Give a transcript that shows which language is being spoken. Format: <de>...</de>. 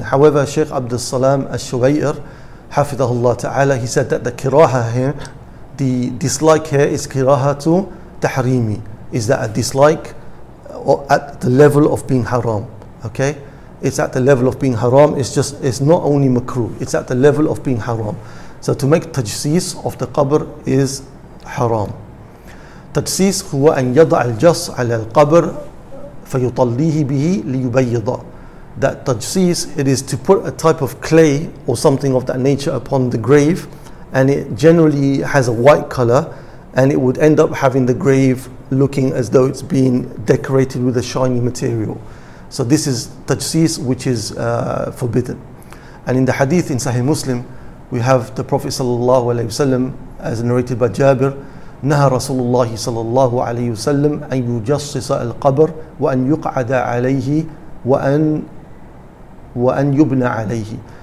<en>However, Shaykh Abdul Salam al-Shubayr, hafidhahullah ta'ala, he said that the kiraha here, the dislike here is kiraha to tahrimi, is that a dislike at the level of being haram. Okay? It's at the level of being haram. It's not only makruh, it's at the level of being haram. So to make tajsis of the qabr is haram.</en> <ar>تجسيس هو أن يضع الجص على القبر فيطليه به ليبيض.</ar> <en>That تجسيس, it is to put a type of clay or something of that nature upon the grave, and it generally has a white color, and it would end up having the grave looking as though it's been decorated with a shiny material. So this is تجسيس, which is forbidden. And in the hadith in Sahih Muslim, we have the Prophet sallallahu alaihi wasallam, as narrated by Jabir,</en> <ar>نهى رسول الله صلى الله عليه وسلم أن يجصص القبر وأن يقعد عليه وأن يبنى عليه.</ar>